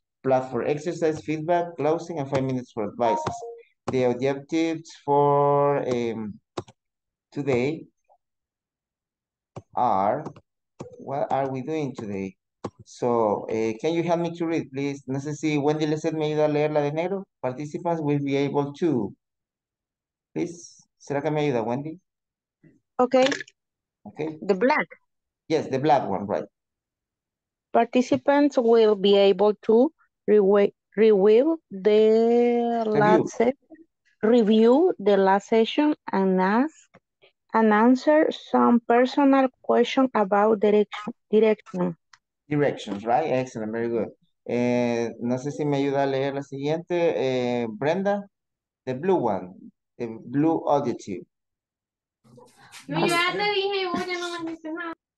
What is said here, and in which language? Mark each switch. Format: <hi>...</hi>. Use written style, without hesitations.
<en>Plot for exercise, feedback, closing, and 5 minutes for advices. The objectives for today are, what are we doing today? So, can you help me to read, please?</en> <es>No sé si Wendy Lesset me ayuda a leerla de negro.</es> <en>Participants will be able to. Please,</en> <es>¿será que me ayuda,</es> <en>Wendy? Okay, Okay. the black. Yes, the black one, right. Participants will be able to review the last Review. session, review the last session and ask and answer some personal question about direction. Directions, right? Excellent, very good.</en> <es>No sé si me ayuda a leer la siguiente.</es> <en>Brenda, the blue one, the blue adjective.</en> <es>No, yo ya te dije y vos ya no me dijiste nada.</es>